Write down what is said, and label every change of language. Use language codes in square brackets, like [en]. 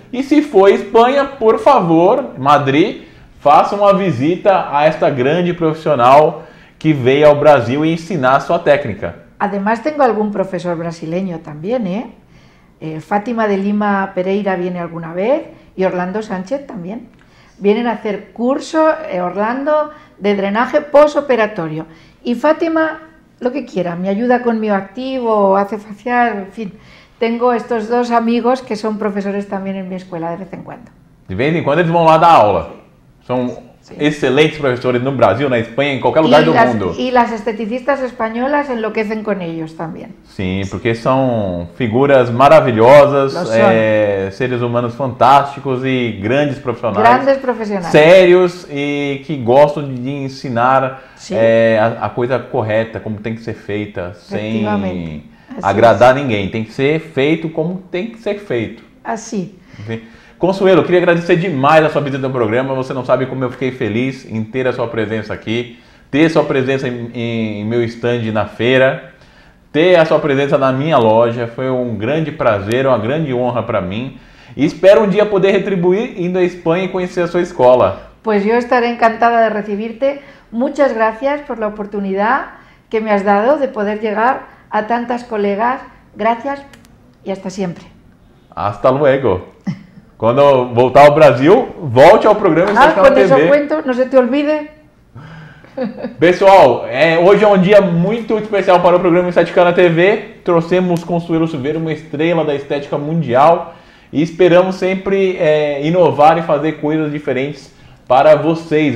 [pt] E se for Espanha, por favor, Madrid, faça uma visita a esta grande profissional que veio ao Brasil e ensinar a sua técnica. [es] Además, tengo algún profesor brasileño también, ¿eh? Fátima de Lima Pereira viene alguna vez y Orlando Sánchez también. Vienen a hacer curso, Orlando, de drenaje posoperatorio. Y Fátima, lo que quiera, me ayuda con Mioactivo, hace facial, en fin. Tengo estos dos amigos que son profesores también en mi escuela de vez en cuando. De vez en cuando ellos van a dar aula. Son [pt] excelentes profesores no Brasil, na Espanha, em qualquer lugar do mundo. E as esteticistas españolas enlouquecem com eles também. Sim, porque são figuras maravilhosas, seres humanos fantásticos e grandes profissionais. Grandes profissionais. Sérios e que gostam de ensinar a coisa correta, como tem que ser feita, sem agradar ninguém. Tem que ser feito como tem que ser feito. Assim. Consuelo, queria agradecer demais a sua visita ao programa. Você não sabe como eu fiquei feliz em ter a sua presença aqui, ter a sua presença em meu stand na feira, ter a sua presença na minha loja. Foi um grande prazer, uma grande honra para mim. E espero um dia poder retribuir indo à Espanha e conhecer a sua escola. Pois eu estarei encantada de receber-te. [es] Muchas gracias por la oportunidad que me has dado de poder llegar a tantas colegas. Gracias y hasta siempre. Hasta luego. [pt] Cuando voltar ao Brasil, volte ao programa Estética na TV. Ah, quando eu cuento, não [es] se te olvide. [pt] Pessoal, hoje é um dia muito especial para o programa Estética na TV. Trouxemos Consuelo Silveira, uma estrela da estética mundial. E esperamos sempre inovar e fazer coisas diferentes para vocês.